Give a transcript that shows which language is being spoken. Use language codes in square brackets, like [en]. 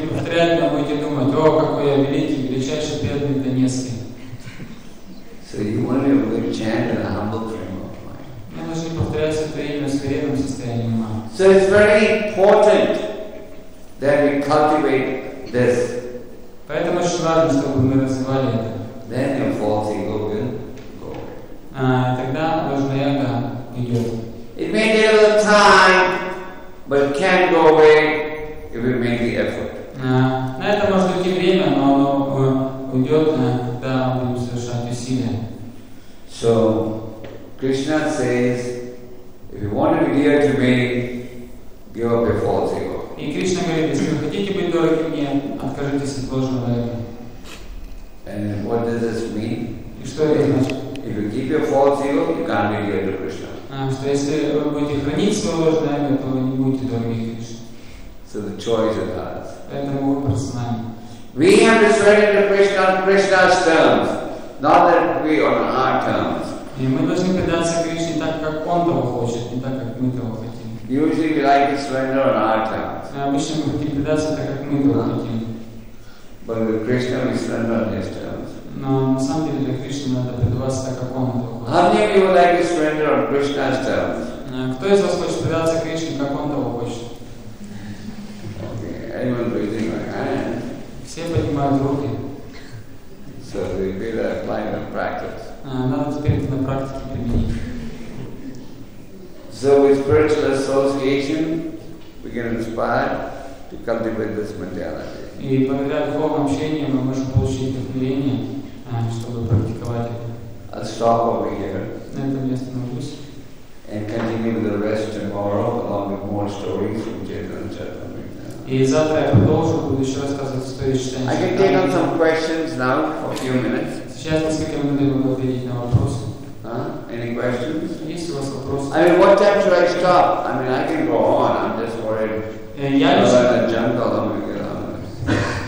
[ru] Реально будете думать, о, какой я великий, величайший преданный Донецкий. [en] So you want to be chanted in a humble frame of mind. [ru] Мы должны повторять святое имя в смиренном состоянии ума. [en] So it's very important that we cultivate this. [ru] Поэтому очень важно, чтобы мы развивали это. [en] Then your false ego will go. [ru] Тогда ложное эго уйдет. [en] It may take a little time, but it can go away if we make the effort. [ru] На это может уйти время, но оно уйдет, когда мы будем совершать усилия. [en] So, Krishna says, if you want to be dear to me, give up your false ego. [ru] И Кришна говорит, если вы хотите быть дороги мне, откажитесь от ложного эго. [en] And what does this mean? [ru] И что это значит? [en] If you keep your false ego, you can't be dear to Krishna. [ru] Что если вы будете хранить свое ложное эго, то вы не будете дороги Кришне. [en] So the choice is ours. [ru] Поэтому выбор с нами. [en] We have to surrender to Krishna on Krishna's terms, not that we on our terms. [ru] И мы должны предаться Кришне так, как Он того хочет, не так, как мы того хотим. [en] Usually we like to surrender on our terms. [ru] Обычно мы хотим предаться так, как мы того хотим. [en] But with Krishna we surrender on His terms. [ru] Но на самом деле для Кришны надо предаваться так, как Он того хочет. [en] How many of you would like to surrender on Krishna's terms? [ru] Кто из вас хочет предаться Кришне, как Он того хочет? [en] Anyone raising my hand? [ru] Все поднимают руки. [en] So we better apply it in practice. [ru] Надо теперь это на практике применить. [en] So with spiritual association, we can inspire to cultivate this mentality. [ru] И благодаря духовному общению мы можем получить вдохновение, чтобы практиковать это. [en] I'll stop over here. [ru] На этом я остановлюсь. [en] And continue with the rest tomorrow, along with more stories from Chaitanya Charitamrita. [ru] И завтра я продолжу, буду еще рассказывать историю читания. [en] I can take on some questions now for a few minutes. [ru] Сейчас несколько минут я могу ответить на вопросы. [en] Any questions? [ru] Есть у вас вопросы? [en] I mean, what time should I stop? I mean, I can go on. I'm just worried. [ru] Я лично. [en] About the jungle, I'm gonna